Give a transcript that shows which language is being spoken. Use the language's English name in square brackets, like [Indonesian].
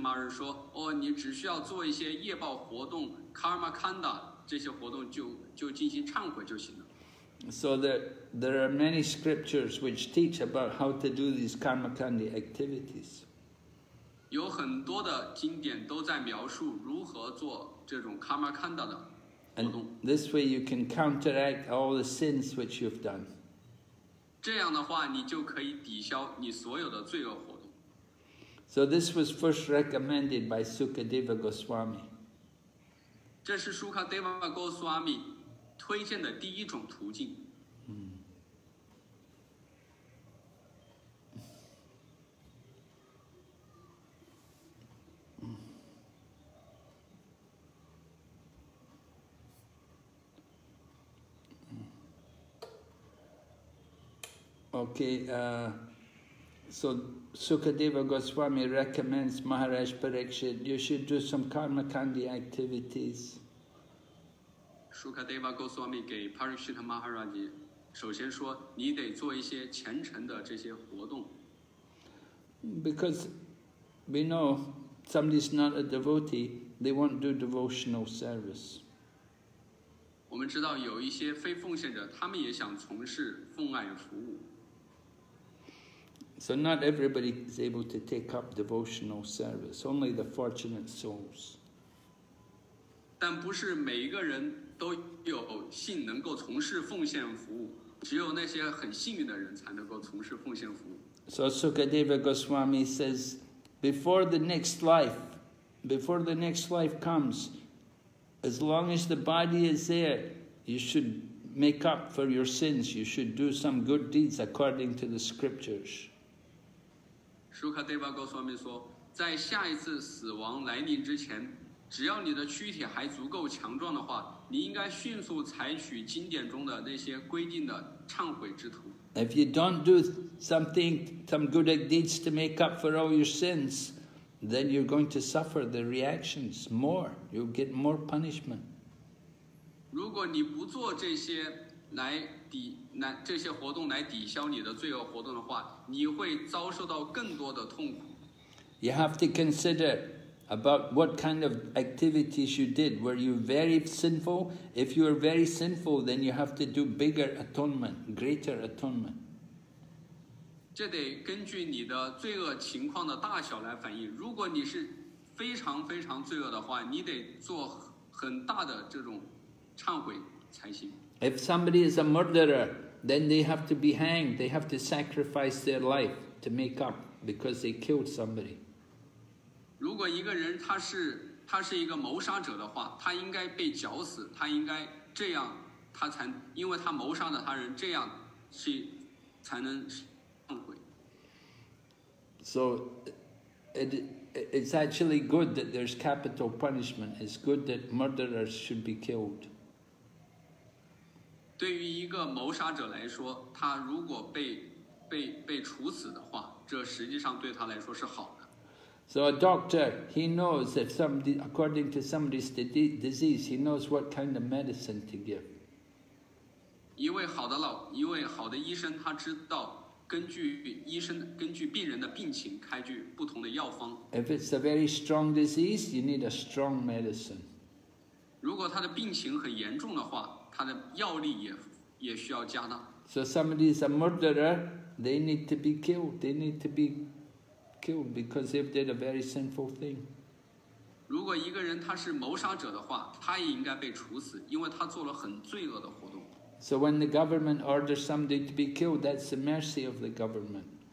[Chinese] 但是舒克德瓦戈斯瓦米想测试一下帕瑞克希特马哈拉吉，想了解一下他的智力，于是他就跟帕瑞克希特马哈拉说：“哦，你只需要做一些业报活动 ，karma kanda 这些活动就进行忏悔就行了。” [English] So there are many scriptures which teach about how to do these karma kanda activities. [Chinese] 有很多的经典都在描述如何做这种 karma kanda 的。 [English] And this way you can counteract all the sins which you've done. [Chinese] 这样的话，你就可以抵消你所有的罪恶活动。So [English] this was first recommended by Sukadeva Goswami. [Chinese] 这是Sukadeva Goswami 推荐的第一种途径。 [English] Okay, so Sukadeva Goswami recommends Maharaj Parikshit, you should do some karma kandi activities. [Chinese] Sukadeva Goswami 给 Parikshit Maharaj 首先说你得做一些虔诚的这些活动。 [English] Because we know somebody's not a devotee, they won't do devotional service. [Chinese] 我们知道有一些非奉献者，他们也想从事奉爱服务。 [English] So not everybody is able to take up devotional service, only the fortunate souls. [Chinese] 但不是每一个人都有幸能够从事奉献服务，只有那些很幸运的人才能够从事奉献服务。So [English] Sukadeva Goswami says, before the next life comes, as long as the body is there, you should make up for your sins, you should do some good deeds according to the scriptures. [Chinese] Sukadeva Goswami 说，在下一次死亡来临之前，只要你的躯体还足够强壮的话，你应该迅速采取经典中的那些规定的忏悔之徒。 [English] If you don't do something, some good deeds to make up for all your sins, then you're going to suffer the reactions more. You'll get more punishment. [Chinese] 如果你不做这些来抵来这些活动来抵消你的罪恶活动的话，你会遭受到更多的痛苦。 [English] You have to consider about what kind of activities you did. Were you very sinful? If you are very sinful, then you have to do bigger atonement, greater atonement. [Chinese] 这得根据你的罪恶情况的大小来反映。如果你是非常非常罪恶的话，你得做很大的这种忏悔才行。 [English] If somebody is a murderer, then they have to be hanged. They have to sacrifice their life to make up because they killed somebody. [Chinese] 如果一个人他是一个谋杀者的话，他应该被绞死，他应该这样，他才因为他谋杀了他人，这样去才能忏悔。 [English] So it's actually good that there's capital punishment. It's good that murderers should be killed. [Chinese] 对于一个谋杀者来说，他如果被处死的话，这实际上对他来说是好的。 [English] So a doctor, he knows if somebody, according to somebody's disease, he knows what kind of medicine to give. [Chinese] 一位好的医生，他知道根据病人的病情开具不同的药方。 [English] If it's a very strong disease, you need a strong medicine. [Chinese] 如果他的病情很严重的话。他的药力也需要加大。 [English] So somebody is a murderer, they need to be killed. They need to be killed because they've did a very sinful thing. [Chinese] 如果一个人他是谋杀者的话，他也应该被处死，因为他做了很罪恶的活动。 [English] So when the government orders somebody to be killed, that's the mercy of the government.